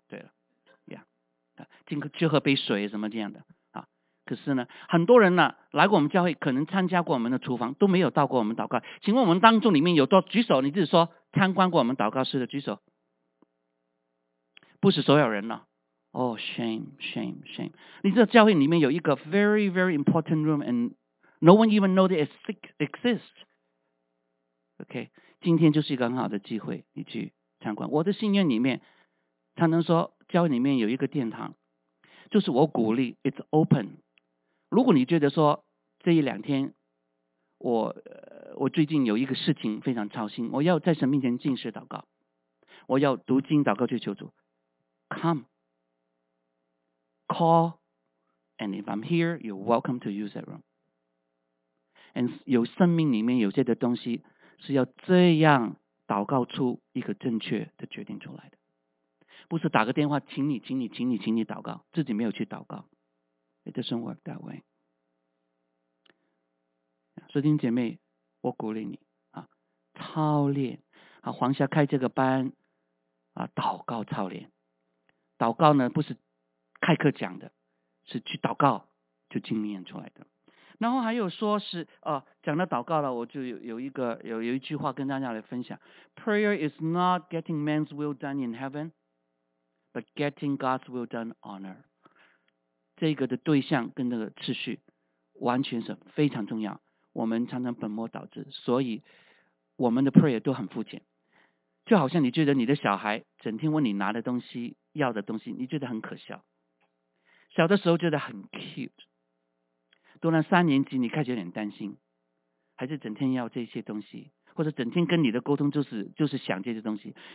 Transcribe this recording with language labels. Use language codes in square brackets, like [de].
[zh] 对了，呀、yeah, ，进去喝杯水什么这样的啊。可是呢，很多人呢来过我们教会，可能参加过我们的厨房，都没有到过我们祷告。请问我们当中里面有多举手？你自己说参观过我们祷告室的举手。不是所有人了，哦、oh, ， [en] shame shame shame！ [zh] 你知道教会里面有一个 [en] very very important room， and no one even know that it exists。 [zh] OK， 今天就是一个很好的机会，你去参观。我的心愿里面，常常说教会里面有一个殿堂，就是我鼓励 [en] it's open。 [zh] 如果你觉得说这一两天，我最近有一个事情非常操心，我要在神面前进食祷告，我要读经祷告去求主。 [en] Come, call, and if I'm here, you're welcome to use that room. [zh] And 有生命里面有些的东西是要这样祷告出一个正确的决定出来的，不是打个电话请你请你请你请你祷告，自己没有去祷告。 [en] It doesn't work that way. [zh] 所以弟兄姐妹，我鼓励你啊，操练啊，黄霞开这个班啊，祷告操练。祷告呢不是开课讲的，是去祷告就经验出来的。然后还有说是讲到祷告了，我就有一句话跟大家来分享。 [en] Prayer is not getting man's will done in heaven, but getting God's will done on earth. [zh] 这个的对象跟这个次序完全是非常重要。我们常常本末倒置，所以我们的 prayer 都很肤浅。就好像你觉得你的小孩整天问你拿的东西要的东西，你觉得很可笑。小的时候觉得很 cute， 读了三年级你开始有点担心，还是整天要这些东西，或者整天跟你的沟通就是想这些东西。